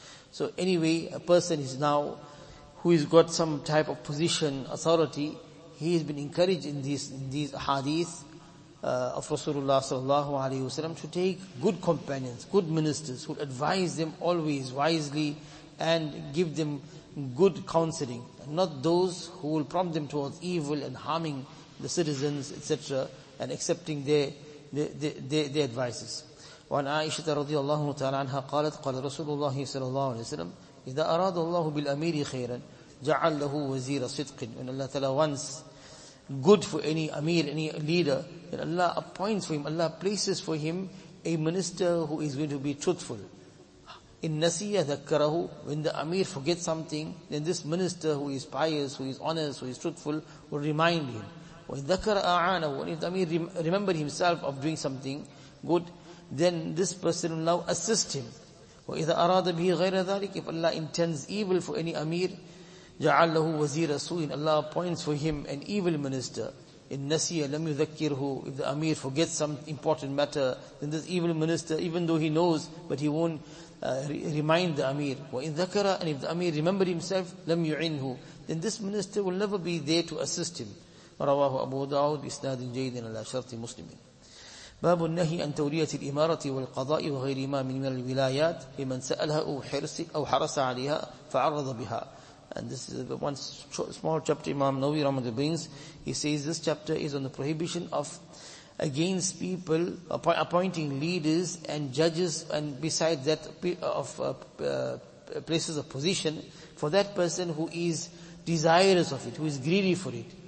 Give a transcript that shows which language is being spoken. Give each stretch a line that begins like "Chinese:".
English: So anyway, a person is now who has got some type of position, authority, he has been encouraged in these hadith of Rasulullah sallallahu alayhi wasallam to take good companions, good ministers, who advise them always wisely and give them good counseling, and not those who will prompt them towards evil and harming the citizens, etc., and accepting their advices.
Arabic: وعن عائشة رضي الله تعالى عنها قالت قال رسول الله صلى الله عليه وسلم إذا أراد الله بالأمير خيرا جعل له وزير صدق.
English: When Allah Ta'ala wants good for any Amir, any leader, then Allah appoints for him, Allah places for him a minister who is going to be truthful.
Arabic: In nasiya dhakkarahu,
English: when the Amir forgets something, then this minister who is pious, who is honest, who is truthful, will remind him. When
Arabic: dhakkar a'anahu,
English: if the Amir remember himself of doing something good, then this person will now assist him.
Arabic: وَإِذَا أَرَادَ بِهِ غَيْرَ ذَلِكَ
English: If Allah intends evil for any Amir,
Arabic: جَعَلْ لَهُ وَزِيرَ سُوءٍ
English: Allah appoints for him an evil minister.
Arabic: إِن نَسِيَ لَمْ يُذَكِّرْهُ
English: If the Amir forgets some important matter, then this evil minister, even though he knows, but he won't remind the Amir.
Arabic: وَإِن ذَكَرَ
English: And if the Amir remembered himself,
Arabic: لَمْ يُعِنْهُ
English: Then this minister will never be there to assist him.
Arabic: رواه أبو داود بإسناد جيد على شرط مسلم. باب النهي عن تولية الإمارة والقضاء وغير ما من الولايات لمن سألها أو حرص أو حرص عليها فعرض بها.
English: And this is one small chapter Imam Nawawi Rahmatullah brings. He says this chapter is on the prohibition of against people appointing leaders and judges and besides that of places of position for that person who is desirous of it, who is greedy for it.